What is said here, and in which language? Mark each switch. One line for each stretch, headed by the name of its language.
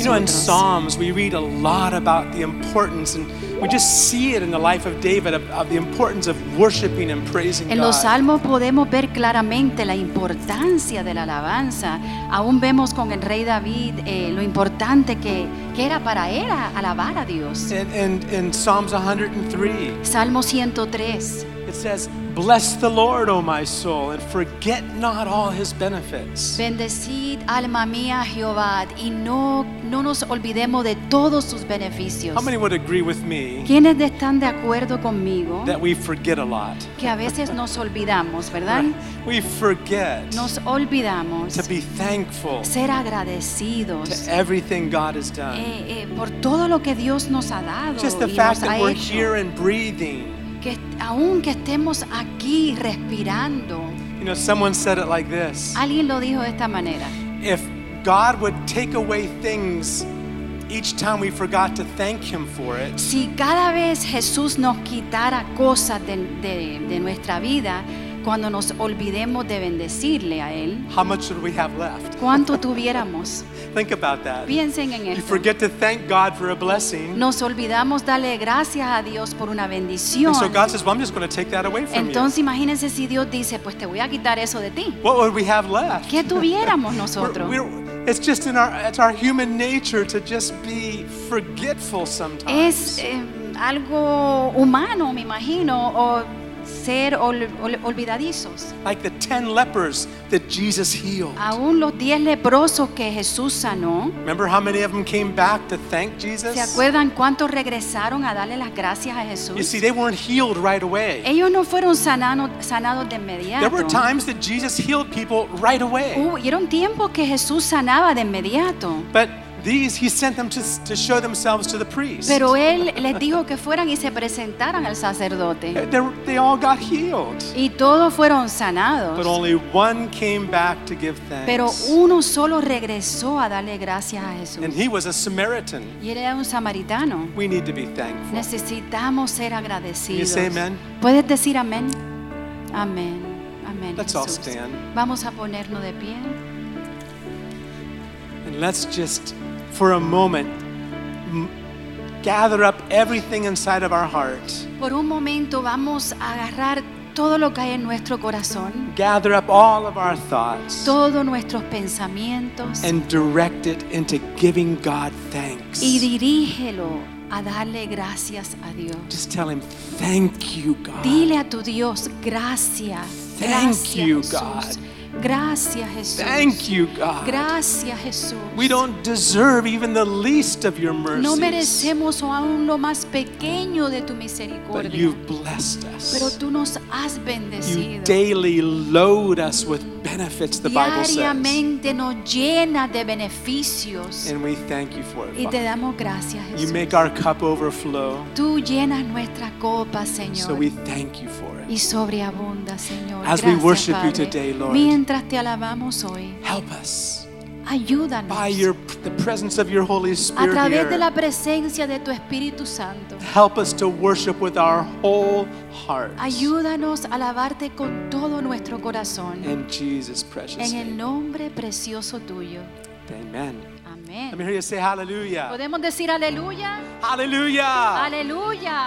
English: You know, in Psalms we read a lot about the importance and we just see it in the life of David of the importance of worshiping and praising
Spanish: God. En los salmos podemos ver claramente la importancia de la alabanza. Aún vemos con el rey David lo importante que era para él alabar a Dios.
English: In Psalms 103.
Spanish: Salmo 103.
English: It says, "Bless the Lord, O my soul, and forget not all his benefits."
Spanish: Bendecid alma mía, Jehová, y no nos olvidemos de todos sus beneficios.
English: How many would agree with me?
Spanish: ¿Quiénes están de acuerdo conmigo?
English: That we forget a lot.
Spanish: Que a veces nos olvidamos, ¿verdad?
English: We forget.
Spanish: Nos olvidamos.
English: To be thankful.
Spanish: Ser agradecidos.
English: To everything God has done.
Spanish: Por todo lo que Dios nos ha dado.
English: Just the fact that we're here and breathing.
Spanish: Que aun que estemos aquí respirando.
English: You know, someone said it like this.
Spanish: Alguien lo dijo de esta manera.
English: If God would take away things each time we forgot to thank him for it.
Spanish: Si cada vez Jesús nos quitara cosas de nuestra vida cuando nos olvidemos de bendecirle a él.
English: How much would we have left?
Spanish: ¿Cuánto tuviéramos?
English: Think about that.
Spanish: Piensen en
English: esto. You forget to thank God for a blessing.
Spanish: Nos olvidamos darle gracias a Dios por una bendición.
English: And so God says, "Well, I'm just going to take that away from
Spanish: Entonces, you." Entonces imagínense si Dios dice, "Pues te voy a quitar eso de ti."
English: What would we have left?
Spanish: ¿Qué tuviéramos nosotros?
English: It's just in our human nature to just be forgetful sometimes.
Spanish: Es algo humano, me imagino, o ser olvidadizos.
English: Like the 10 lepers that Jesus healed.
Spanish: Aún los 10 leprosos que Jesús sanó.
English: Remember how many of them came back to thank Jesus?
Spanish: ¿Se acuerdan cuántos regresaron a darle las gracias a Jesús?
English: You see, they weren't healed right away.
Spanish: Ellos no fueron sanados de inmediato.
English: There were times that Jesus healed people right away.
Spanish: Hubieron tiempos que Jesús sanaba de inmediato.
English: But these, he sent them to show themselves to the priest.
Spanish: Pero él les dijo que fueran y se presentaran al sacerdote.
English: They all got healed.
Spanish: Y todos fueron sanados.
English: But only one came back to give thanks.
Spanish: Pero uno solo regresó a darle gracias a Jesús.
English: And he was a Samaritan.
Spanish: Y él era un samaritano.
English: We need to be thankful.
Spanish: Necesitamos ser agradecidos.
English: Can you say amen?
Spanish: ¿Puedes decir amén? Amén. Amén.
English: Let's all stand.
Spanish: Vamos a ponernos de pie.
English: And let's just, for a moment, gather up everything inside of our heart.
Spanish: Por un momento vamos a agarrar todo lo que hay en nuestro corazón.
English: Gather up all of our thoughts.
Spanish: Todos nuestros pensamientos.
English: And direct it into giving God thanks.
Spanish: Y dirígelo a darle gracias a Dios.
English: Just tell him, "Thank you, God."
Spanish: Dile a tu Dios, gracias.
English: Thank
Spanish: gracias,
English: you,
Spanish: Jesús.
English: God.
Spanish: Gracias, Jesús.
English: Thank you, God.
Spanish: Gracias, Jesús.
English: We don't deserve even the least of your mercies.
Spanish: No merecemos aún lo más pequeño de tu misericordia.
English: But you've blessed us.
Spanish: Pero tú nos has bendecido.
English: You daily load us with benefits, the Bible says.
Spanish: Diariamente nos llena de beneficios.
English: And we thank you for it.
Spanish: Y te damos gracias, Jesús.
English: You make our cup overflow.
Spanish: Tú llenas nuestra copa, Señor.
English: So we thank you for it.
Spanish: Y sobreabunda, Señor.
English: As we worship you today, Lord.
Spanish: Mientras te alabamos hoy.
English: Help us.
Spanish: Ayúdanos.
English: By the presence of your Holy Spirit.
Spanish: A través de la presencia de tu Espíritu Santo.
English: Help us to worship with our whole heart.
Spanish: Ayúdanos a alabarte con todo nuestro corazón.
English: In Jesus' precious name.
Spanish: En el nombre precioso tuyo.
English: Amen. Amen. Let me hear you say hallelujah.
Spanish: ¿Podemos decir aleluya?
English: Hallelujah. Hallelujah.